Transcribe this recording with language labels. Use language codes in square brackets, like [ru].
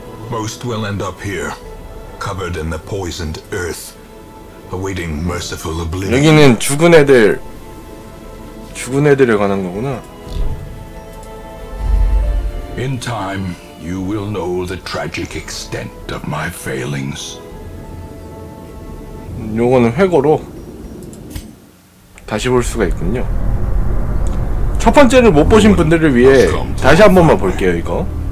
[en] most will end up here, covered in the poisoned earth, awaiting merciful oblivion. [ko] 여기는 죽은 애들에 관한 거구나. [en] In time, you will know the tragic extent of my failings. [ko] 요거는 회고로 다시 볼 수가 있군요. 첫 번째를 못 보신 분들을 위해 다시 한 번만 볼게요, 이거.